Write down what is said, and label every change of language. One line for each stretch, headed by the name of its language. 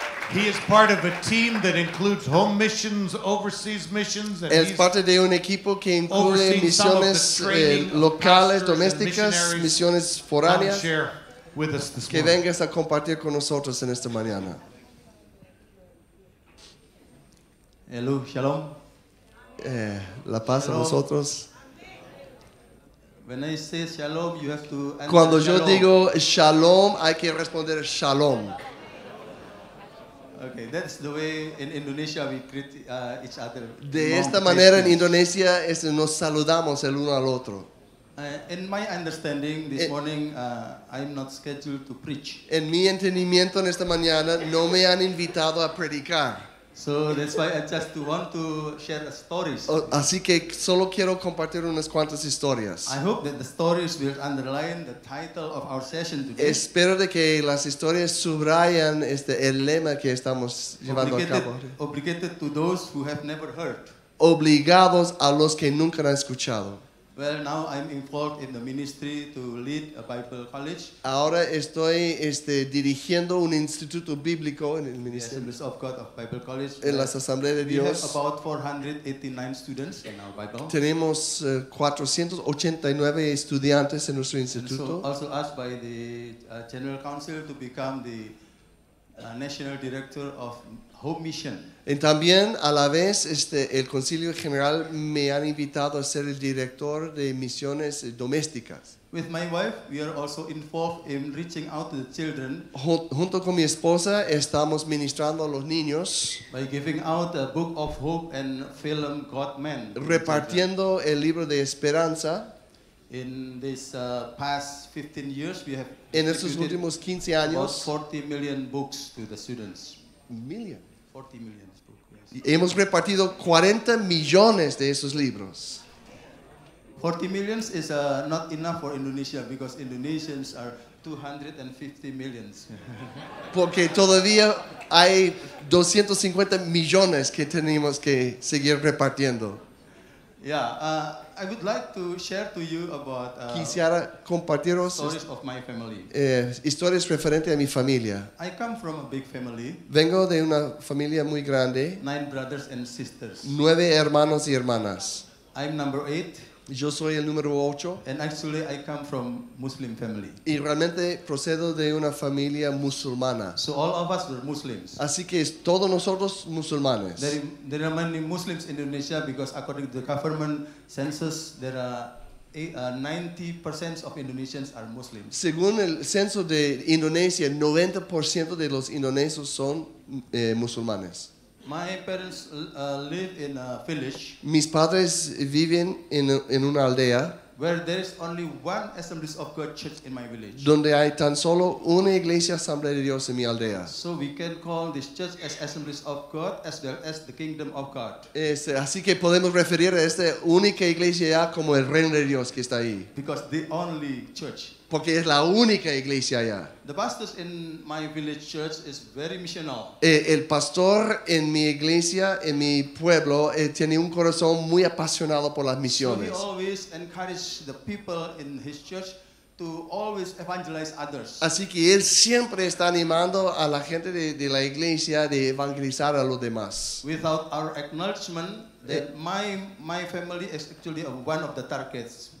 English: He is part of a team that includes home missions, overseas missions, and
Spanish: es parte de un equipo que incluye misiones locales, domésticas, misiones foráneas.
English: Come share with us this
Spanish: que
English: morning.
Spanish: Vengas a compartir con nosotros en esta mañana.
English: Hello, shalom.
Spanish: La paz shalom. A vosotros.
English: When I say shalom, you have to answer
Spanish: cuando yo
English: shalom.
Spanish: Digo shalom, hay que responder shalom.
English: Okay, that's the way in Indonesia we greet each other.
Spanish: De esta manera en Indonesia es nos saludamos el uno al otro.
English: In my understanding this morning, I'm not scheduled to preach.
Spanish: En mi entendimiento en esta mañana no me han invitado a predicar.
English: So that's why I just want to share stories.
Spanish: Así que solo quiero compartir unas cuantas historias.
English: I hope that the stories will underline the title of our session today.
Spanish: Espero de que las historias subrayan este el lema que estamos llevando a cabo.
English: Obligated to those who have never heard.
Spanish: Obligados a los que nunca han escuchado.
English: Well, now I'm involved in the ministry to lead a Bible college.
Spanish: Ahora estoy dirigiendo un instituto bíblico en el ministerio.
English: Assemblies of God of Bible College.
Spanish: En las Asambleas de Dios.
English: We have about 489 students in our Bible.
Spanish: Tenemos 489 estudiantes en nuestro instituto.
English: And so also asked by the General Council to become the National Director of Home Mission.
Spanish: Y también a la vez el Concilio General me han invitado a ser el director de misiones domésticas.
English: With my wife, we are also involved in reaching out to the children.
Spanish: Junto con mi esposa estamos ministrando a los niños.
English: By giving out a book of hope and film God Man.
Spanish: Repartiendo el libro de esperanza.
English: In this past 15 years, we have
Spanish: en estos últimos 15 años,
English: about 40 million books to the students. Million. 40 million.
Spanish: Hemos repartido 40 millones de esos libros.
English: 40 million is not enough for Indonesia because Indonesians are 250 million.
Spanish: Porque todavía hay 250 millones que tenemos que seguir repartiendo.
English: Yeah, I would like to share to you about
Spanish: quisiera compartiros
English: stories of my family.
Spanish: Historias referentes a mi familia.
English: I come from a big family.
Spanish: Vengo de una familia muy grande.
English: Nine brothers and sisters.
Spanish: Nueve hermanos y hermanas.
English: I'm number 8.
Spanish: Yo soy el número 8.
English: And actually, I come from Muslim family.
Spanish: Y realmente procedo de una familia musulmana.
English: So all of us were Muslims.
Spanish: Así que todos nosotros musulmanes.
English: There are many Muslims in Indonesia because according to the government census, there are 90% of Indonesians are Muslims.
Spanish: Según el censo de Indonesia, 90% de los indonesios son musulmanes.
English: My parents live in a village.
Spanish: Mis padres viven en una aldea.
English: Where there is only one Assemblies of God church in my village.
Spanish: Donde hay tan solo una iglesia Asamblea de Dios en mi aldea.
English: So we can call this church as Assemblies of God as well as the Kingdom of God.
Spanish: Así que podemos referir a esta única iglesia ya como el Reino de Dios que está ahí.
English: Because the only church.
Spanish: Porque es la única iglesia allá.
English: The pastor in my village church is very missional.
Spanish: El pastor en mi iglesia, en mi pueblo, tiene un corazón muy apasionado por las misiones.
English: So he always encourages the people in his church to always evangelize others.
Spanish: Así que él siempre está animando a la gente de la iglesia de evangelizar a los demás.
English: Without our acknowledgement, that my family is actually one of the targets.